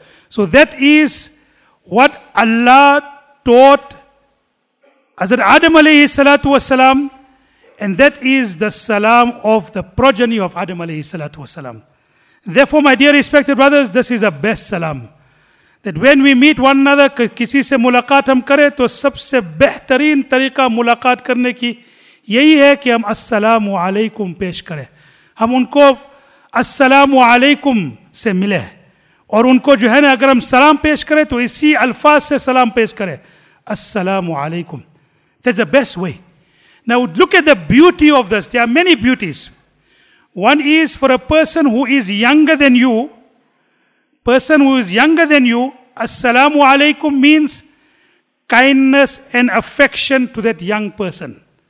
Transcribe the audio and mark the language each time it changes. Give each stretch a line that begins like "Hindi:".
English: So that is what Allah taught Hazrat Adam alayhi salatu wasalam. And that is the salam of the progeny of Adam alayhi salatu wasalam. Therefore, my dear respected brothers, this is the best salam. That when we meet one another,
Urdu: kisi se mulaqat hum kare, to sabse behtareen tariqa mulaqat karne ki, یہی ہے کہ ہم السلام علیکم پیش کریں، ہم ان کو السلام علیکم سے ملے، اور ان کو جو ہے نا اگر ہم سلام پیش کریں تو اسی الفاظ سے سلام پیش کریں، السلام علیکم.
English: That's the best way. Now look at the beauty of this. There are many beauties. One is for a person who is younger than you. السلام علیکم means kindness and affection to that young person.